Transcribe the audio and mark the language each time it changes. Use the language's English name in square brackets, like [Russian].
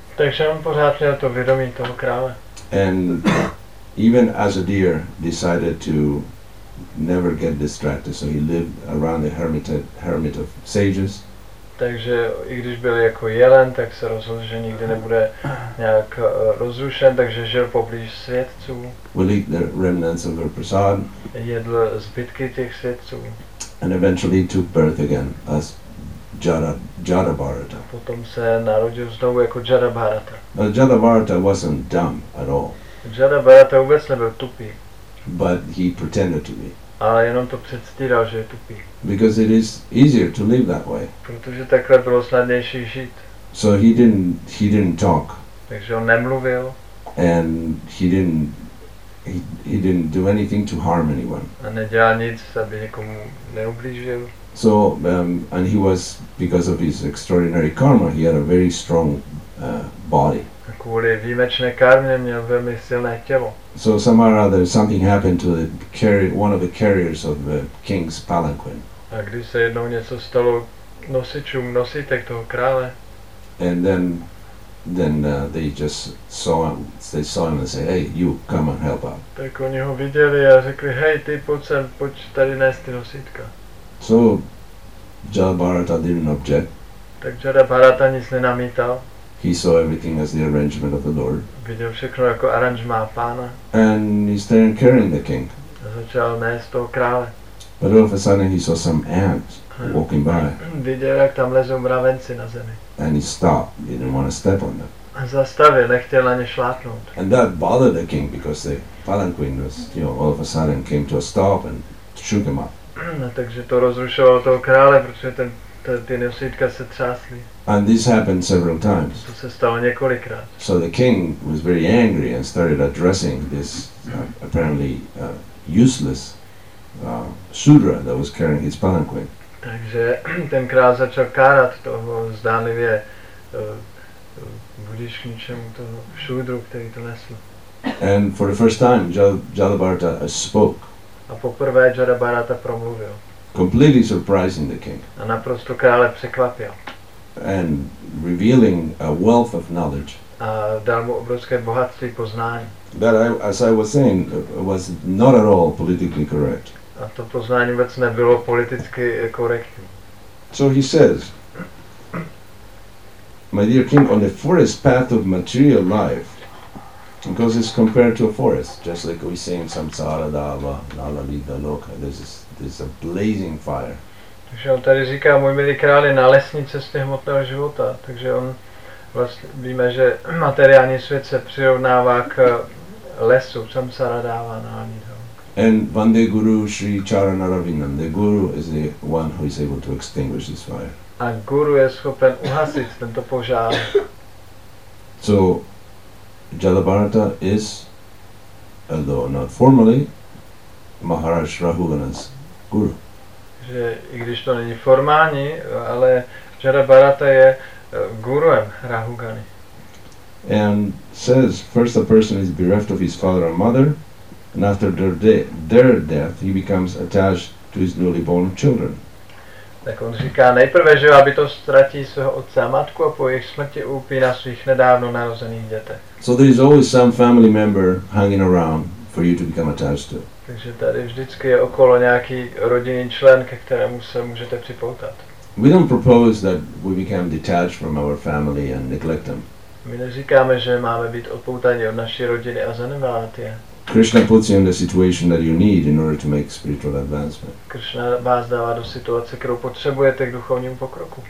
[Czech] Takže on pořád měl to vědomí toho krále. [English] And even as a deer, decided to never get distracted, so he lived around the hermit of sages. [Czech] Takže i když byl jako jelen, tak se rozhodl, že nikdy nebude nějak rozrušen, takže žil poblíž světců. [English] Will eat the remnants of their prasad. [Czech] Jedl zbytky těch světců. [English] And eventually took birth again as Jada Bharata. [Czech] Potom se narodil znovu jako Jada Bharata. [English] Now Jada Bharata wasn't dumb at all. [Czech] Jada Bharata vůbec nebyl tupý. [English] But he pretended to be. [Czech] Ale jenom to předstíral, že je tupý. [English] Because it is easier to live that way. [Czech] Protože takhle bylo snadnější žít. [English] So he didn't talk. [Czech] Takže on nemluvil. [English] And he didn't do anything to harm anyone. [Czech] A nedělal nic, aby někomu neublížil. [English] So and he was, because of his extraordinary karma, he had a very strong body. [Czech] A kvůli výjimečné karmě měl velmi silné tělo. [English] So somehow or other something happened to the one of the carriers of the king's palanquin. [Czech] A když se jednou něco stalo nosičům, nosítek toho krále. [English] And then they just saw him and say, hey, you come and help out. [Czech] Tak oni ho viděli a řekli, hej, ty pojď sem, pojď tady nést ty nosítka. [English] So Jarabharata didn't object. [Czech] Tak Jarabharata nic nenamítal. [English] He saw everything as the arrangement of the Lord. [Czech] Viděl všechno jako aranžmá pána. [English] And he started carrying the king. [Czech] A začal nést toho krále. [English] But all of a sudden he saw some ants walking by. [Czech] Viděl, jak tam lezou mravenci na zemi. [English] And he stopped. He didn't want to step on them. [Czech] A zastavil, nechtěl na ně šlápnout. [English] And that bothered the king because the palanquin was, you know, all of a sudden came to a stop and shook him up. [Czech] A takže to rozrušovalo toho krále, protože ty nosítka se třásly. [English] And this happened several times. [Czech] To se stalo několikrát. [English] So the king was very angry and started addressing this apparently useless Sudra that was carrying his palanquin. [Czech] Takže ten král začal kárat toho zdánlivě budiš k ničemu toho šudru, který to nesl. [English] And for the first time Jarabharata spoke. [Czech] A poprvé Jarabharata promluvil. [English] Completely surprising the king. [Czech] A naprosto krále překvapil. [English] And revealing a wealth of knowledge. [Czech] A dal mu obrovské bohatství poznání. [English] That I, as I was saying, was not at all politically correct. [Czech] A to poznání vůbec nebylo politicky korektní. [English] So he says, my dear king, on the forest path of material life, because it's compared to a forest, just like we say in [Sanskrit] samsara dava, nala vida loka, [English] this is a blazing fire. [Czech] Takže on tady říká, můj milý králi, na lesní cestě hmotného života, takže on vlastně víme, že materiální svět se přirovnává k lesu, [Sanskrit] samsara dava, nala vida. [English] And [Sanskrit] Vande Guru Sri Charanaravindam, [English] the Guru is the one who is able to extinguish this fire. [Czech] A Guru je schopen uhasit tento požár. [English] So, Jarabharata is, although not formally, Maharaj Raghuvana's Guru. [Czech] Že i když to není formální, ale Jarabharata je guruem Raghuvany. [English] And says, first a person is bereft of his father and mother, and after their death, he becomes attached to his newly born children. [Czech] Tak on říká nejprve, že aby to ztratí svého otce a matku a po jejich smrti upíná svých nedávno narozených dětech. [English] So there is always some family member hanging around for you to become attached to. [Czech] Takže tady vždycky je okolo nějaký rodinný člen, ke kterému se můžete připoutat. [English] We don't propose that we become detached from our family and neglect them. [Czech] My neříkáme, že máme být odpoutaní od naší rodiny a zanedbávat je. [English] Krishna puts you in the situation that you need in order to make spiritual advancement. [Czech] Krishna vás dává do situace, kterou potřebujete k duchovnímu pokroku.